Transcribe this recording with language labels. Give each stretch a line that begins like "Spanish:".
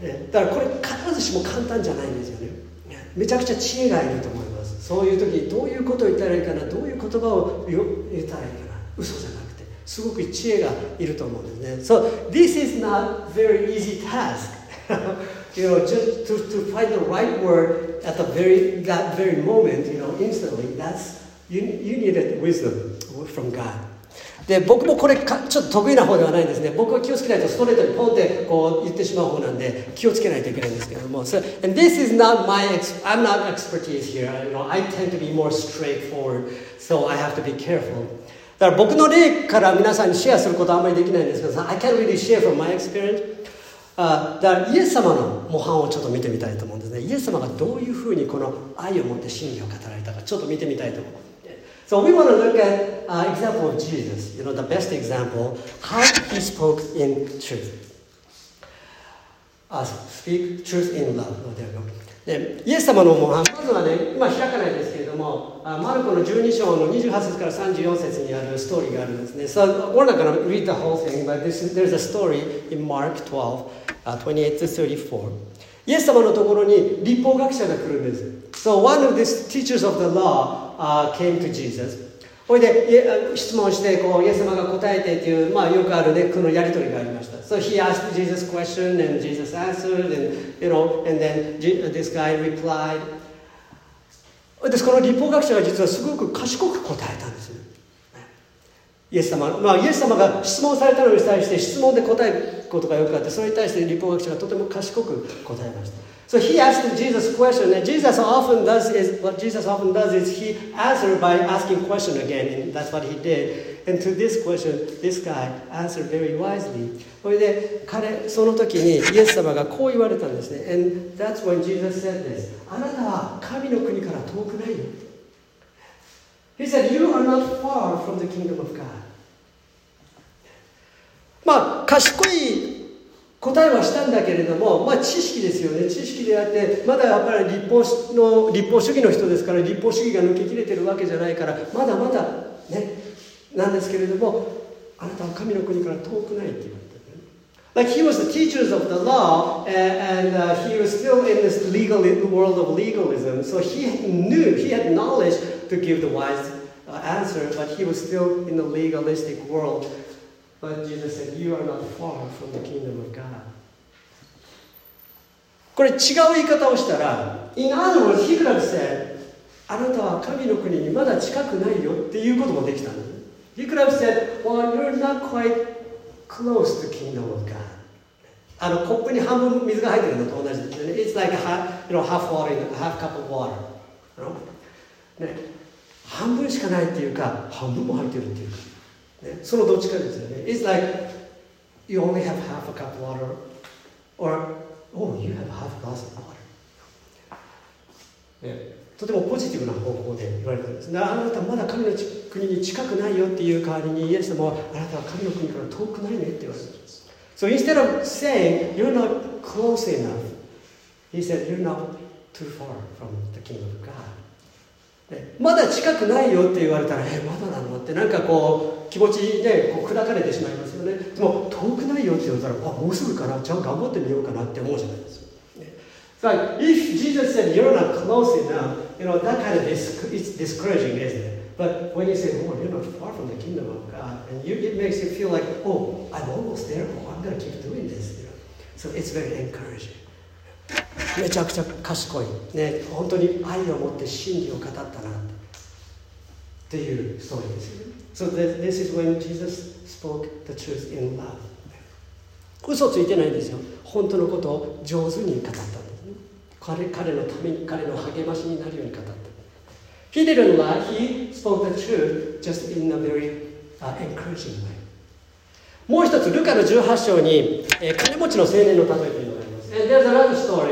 Japanese: だからこれ必ずしも簡単じゃないんですよね。めちゃくちゃ知恵がいると思います。そういう時にどういうことを言ったらいいかな、どういう言葉を言ったらいいかな、嘘じゃなくてすごく知恵がいると思うんですね。
English: So this is not very easy task. You know, just to find the right word at the very, that very moment, you know, instantly, that's, you needed wisdom from God.
Japanese: で僕もこれかちょっと得意な方ではないんですね。僕は気をつけないとストレートにポンってこう言ってしまう方なんで気をつけないといけないんですけども。
English: So, and this is not my I'm not expertise here. You know, I tend to be more straightforward, so I have to be careful.
Japanese: だから僕の例から皆さんにシェアすることはあんまりできないんですけど、
English: I can't really share from my experience.
Japanese: だからイエス様の模範をちょっと見てみたいと思うんですね。イエス様がどういうふうにこの愛を持って真理を語られたかちょっと見てみたいと思います。
English: So we want to look at an example of Jesus, you know, the best example, how he spoke in truth. Speak truth in love. Oh, there we go.
Japanese: で、イエス様の模範、まずはね、今開かないですけれども、マルコの12章の28節から34節にあるストーリーがあるんですね。
English: So we're not going to read the whole thing, but there's a story in Mark 12, 28 to 34.
Japanese: イエス様のところに律法学者が来るんです。
English: So one of these teachers of the law came to Jesus.
Japanese: それで質問してこうイエス様が答えてっていう、まあ、よくある、ね、このやり取りがありました。
English: So he asked Jesus a question and Jesus answered and, you know, and then this guy replied.
Japanese: でこの律法学者が実はすごく賢く答えたんです。イエス様、まあ、イエス様が質問されたのに対して質問で答えることがよくあって、それに対して律法学者がとても賢く答えました。
English: So he asked Jesus a question. And Jesus often does is what Jesus often does is he answered by asking question again, and that's what he did. And to this question, this guy answered very wisely.
Japanese: それで彼その時にイエス様がこう言われたんですね。
English: And that's when Jesus said this.
Japanese: あなたは神の国から遠くないよ。
English: He said, "You are not far from the kingdom of God."
Japanese: まあ賢い答えはしたんだけれども、まあ、知識ですよね。知識であって、まだやっぱり立法主義の人ですから、立法主義が抜けきれてるわけじゃないから、まだまだね、なんですけれども、あなたは神の国から遠くないって言われたね。
English: Like he was the teachers of the law, and he was still in this legal world of legalism. So he knew, he had knowledge to give the wise answer, but he was still in the legalistic world. But Jesus said, "You are not far from the kingdom of God."
Japanese: これ違う言い方をしたら、
English: In other words, he could have said,
Japanese: あなたは神の国にまだ近くないよっていうこともできたの。
English: He could have said, "Well, you're not quite close to kingdom of God."
Japanese: あのコップに半分水が入ってるのと同じですね。
English: It's like half, you know, half water, half cup of water. You know?
Japanese: ね、半分しかないっていうか、半分も入ってるっていうか。そのどっちかですよね。
English: It's like you only have half a cup of water, or oh, you have half a glass of water.、
Japanese: ね、とてもポジティブな方向で言われてるんです。あなたまだ神の国に近くないよっていう代わりに、イエス様はあなたは神の国から遠くないねって言われてるんです。
English: So instead of saying you're not close enough, he said you're not too far from the kingdom of God.
Japanese: まだ近くないよって言われたら、まだなのってなんかこう気持ちでこう砕かれてしまいますよね。でも遠くないよって言われたら、もうすぐかな、じゃあ頑張ってみようかなって思うじゃないですか。
English: ね、so, if Jesus said you're not close enough, you know, that kind of it's discouraging, isn't it? But when you say, oh, you're not far from the kingdom of God, and it makes you feel like, oh, I'm almost there, oh, I'm gonna keep doing this, you know. So it's very encouraging.
Japanese: めちゃくちゃ賢い、ね、本当に愛を持って真理を語ったなっていうストーリーですよね。
English: So this is when Jesus spoke the truth in love.
Japanese: 嘘ついてないんですよ。本当のことを上手に語ったんです、ね、彼のために彼の励ましになるように語った。
English: He didn't lie. He spoke the truth just in a very encouraging way.
Japanese: もう一つルカの18章に、金持ちの青年の例えというのがあります。